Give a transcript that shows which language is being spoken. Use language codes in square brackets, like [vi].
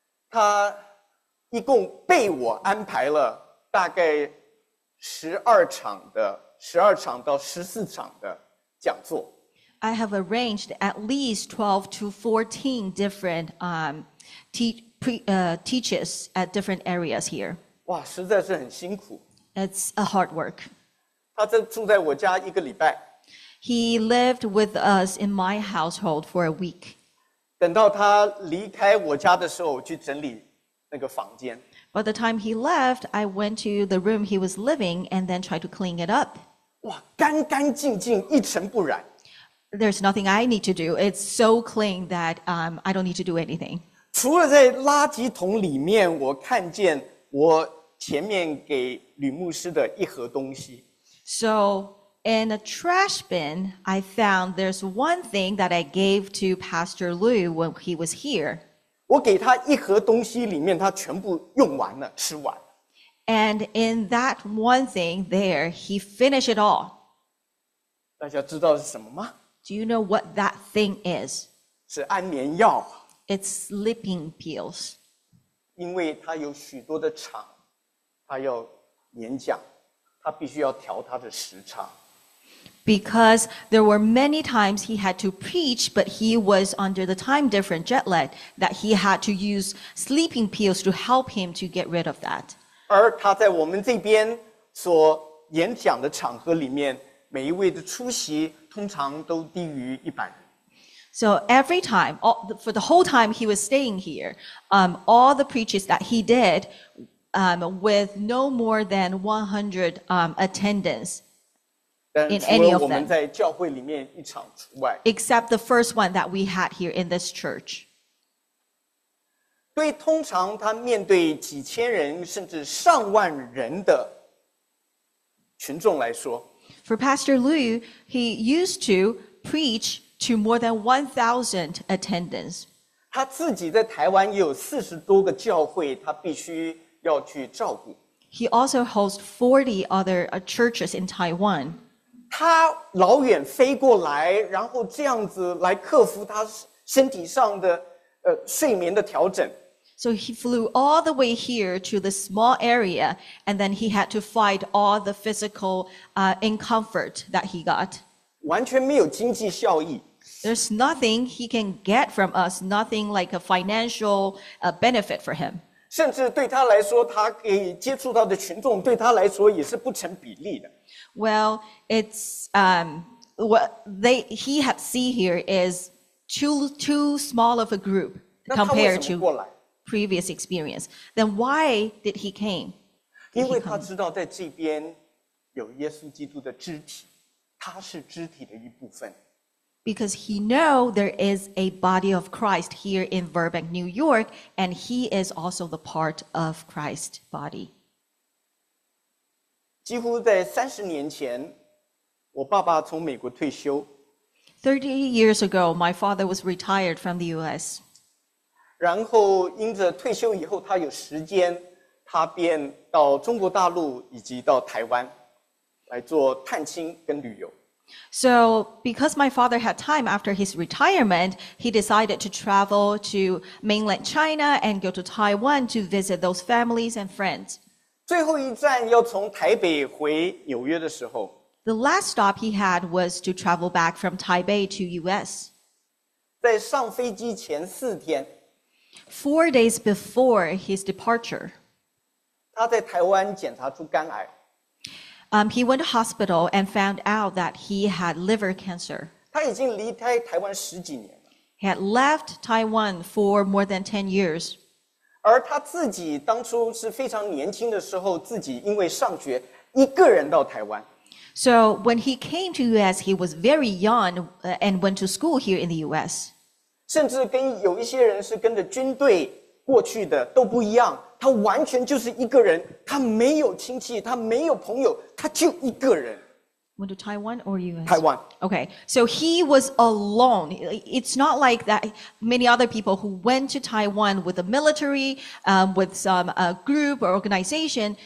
[zh] 他一共被我安排了大概12场到14场的讲座。 [en] I have arranged at least 12 to 14 different teaches at different areas here. [zh] 哇，实在是很辛苦。 [en] It's a hard work. [zh] 他正住在我家一个礼拜。 [en] He lived with us in my household for a week. [zh] 等到他离开我家的时候，去整理那个房间。 [en] By the time he left, I went to the room he was living and then tried to clean it up. [zh] 哇，干干净净，一尘不染。 [en] There's nothing I need to do. It's so clean that I don't need to do anything. [zh] 除了在垃圾桶里面，我看见我前面给吕牧师的一盒东西。 [en] So in a trash bin, I found there's one thing that I gave to Pastor Lu when he was here. [zh] 我给他一盒东西里面，他全部用完了，吃完。 [en] And in that one thing there, he finished it all. [zh] 大家知道是什么吗？ [en] Do you know what that thing is? [zh] 是安眠药。 [en] It's sleeping pills. [zh] 因为他有许多的场，他要演讲，他必须要调他的时差。 [en] Because there were many times he had to preach, but he was under the time difference jet lag that he had to use sleeping pills to help him to get rid of that. [zh] 而他在我们这边所演讲的场合里面，每一位的出席通常都低于100。 [en] So every time, for the whole time he was staying here, all the preaches that he did, with no more than 100 attendance in any of them. [zh] 我们在教会里面一场除外。 [en] Except the first one that we had here in this church. [zh] 对，通常他面对几千人甚至上万人的群众来说。 [en] For Pastor Lu, he used to preach to more than 1,000 attendants. [zh] 他自己在台湾也有40多个教会，他必须要去照顾。 [en] He also hosts 40 other churches in Taiwan. [zh] 他老远飞过来，然后这样子来克服他身体上的睡眠的调整。 [en] So he flew all the way here to the small area, and then he had to fight all the physical discomfort that he got. [zh] 完全没有经济效益。 [en] There's nothing he can get from us, nothing like a financial benefit for him. [zh] 甚至对他来说，他可以接触到的群众对他来说也是不成比例的。 [en] Well, it's he had seen here is too small of a group compared to previous experience. Then why did he came? [zh] 因为他知道在这边有耶稣基督的肢体，他是肢体的一部分。 [en] Because he know there is a body of Christ here in Verbank, New York, and he is also the part of Christ's body. [zh] 几乎在30年前，我爸爸从美国退休。 [en] 30 years ago, my father was retired from the U.S. [zh] 然后因着退休以后他有时间他便到中国大陆以及到台湾来做探亲跟旅游。 [en] So, because my father had time after his retirement, he decided to travel to mainland China and go to Taiwan to visit those families and friends. [zh] 最后一站要从台北回纽约的时候 [en] The last stop he had was to travel back from Taipei to US. [zh] 在上飞机前四天 [en] Four days before his departure, [zh] 他在台湾检查出肝癌。 [en] He went to hospital and found out that he had liver cancer. [zh] 他已经离开台湾十几年了。 [en] He had left Taiwan for more than 10 years. [zh] 而他自己当初是非常年轻的时候，自己因为上学，一个人到台湾。 [en] So when he came to US, he was very young and went to school here in the US. [zh] 甚至跟有一些人是跟着军队过去的都不一样。他完全就是一个人，他没有亲戚，他没有朋友，他就一个人。 [en] Went to Taiwan or US? Taiwan. Okay, so he was alone. It's not like that many other people who went to Taiwan with the military, with some group or organization.